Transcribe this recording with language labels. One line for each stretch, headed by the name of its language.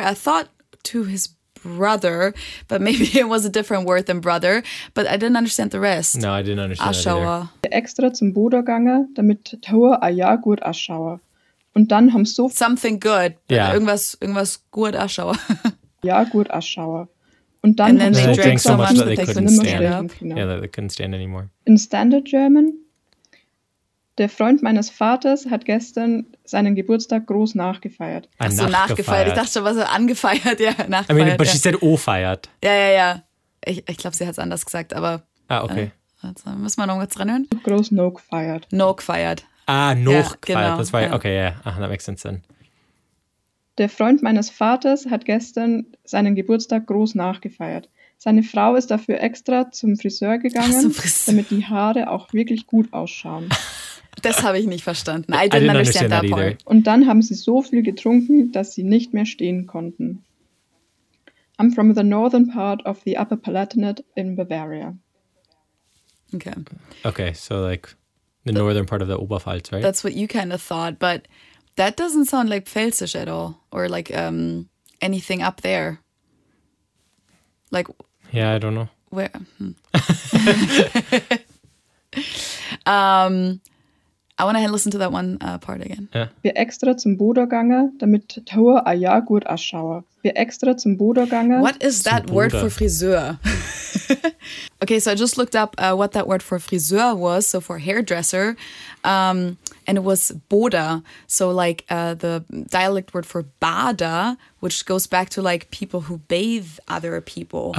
English: I thought to his brother, but maybe it was a different word than brother, but I didn't understand the rest. No, I didn't understand Aschauer. That either.
German: Extra zum Bruder gegangen, damit Tower ein Jahr gut ausschaue. Und dann haben so...
English: Something good. Yeah.
German: Irgendwas gut ausschaue. Ja, gut ausschaue. Und dann haben
English: they drank so much that they couldn't stand. Yeah, that they couldn't stand anymore. In standard German,
German: der Freund meines Vaters hat gestern seinen Geburtstag groß nachgefeiert. Also nachgefeiert. Ich dachte schon, was er angefeiert. Ja, nachgefeiert.
English: I mean, but she said o-feiert.
German: Ja. Ich glaube, sie hat es anders gesagt, aber... Ah, okay. Also, müssen wir noch was dranhören? Groß noch gefeiert. Noch gefeiert. Ah, noch gefeiert. Das war okay, yeah.
English: That makes sense then.
German: Der Freund meines Vaters hat gestern seinen Geburtstag groß nachgefeiert. Seine Frau ist dafür extra zum Friseur gegangen, damit die Haare auch wirklich gut ausschauen. Das habe ich nicht verstanden.
English: I didn't understand that either.
German: Und dann haben sie so viel getrunken, dass sie nicht mehr stehen konnten.
English: I'm from the northern part of the Upper Palatinate in Bavaria. Okay. Okay, so like the northern part of the Oberpfalz, right? That's what you kind of thought, but that doesn't sound like Pfälzisch at all or like anything up there. Like, yeah, I don't know. Where? I want to listen to that one part again. Yeah.
German: Wir extra zum Bodergange, damit Tor a ja gut ausschaue. Wir extra zum Bodergange.
English: What is that word for friseur? Okay, so I just looked up what that word for friseur was, so for hairdresser, and it was Boda. So like the dialect word for Bada, which goes back to like people who bathe other people.